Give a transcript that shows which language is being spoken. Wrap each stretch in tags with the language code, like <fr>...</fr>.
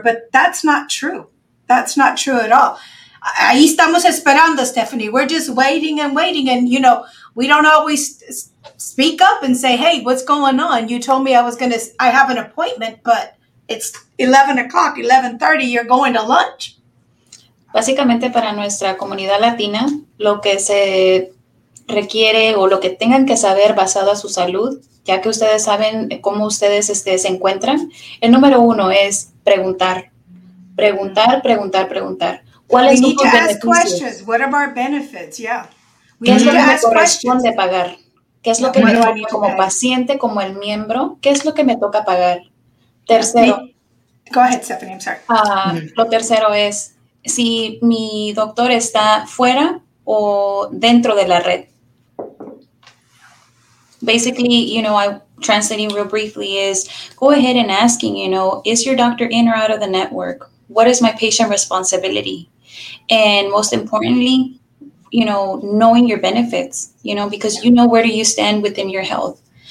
<en>But that's not true. That's not true at all.</en> <es>Ahí estamos esperando,</es> <en>Stephanie. We're just waiting and waiting. And, you know, we don't always speak up and say, hey, what's going on? You told me I have an appointment, but it's 11 o'clock, 11:30. You're going to lunch.</en> <es>Básicamente, para nuestra comunidad latina, lo que se requiere o lo que tengan que saber basado a su salud, ya que ustedes saben cómo ustedes se encuentran. El número uno es preguntar. Preguntar, preguntar, preguntar. ¿Cuáles son los beneficios?</es> <en>Questions. What are our benefits? Yeah.</en> <es>¿Qué es lo que me corresponde</es> <en>questions.</en> <es>Pagar? ¿Qué es lo que me toca como paciente, como el miembro? ¿Qué es lo que me toca pagar? Tercero.</es> <en>Go ahead, Stephanie, I'm sorry.</en> <es>Lo tercero es si mi doctor está fuera o dentro de la red.</es> <en>Basically, you know, I'm translating real briefly is go ahead and asking, you know, is your doctor in or out of the network? What is my patient responsibility? And most importantly, you know, knowing your benefits, you know, because you know where do you stand within your health.</en>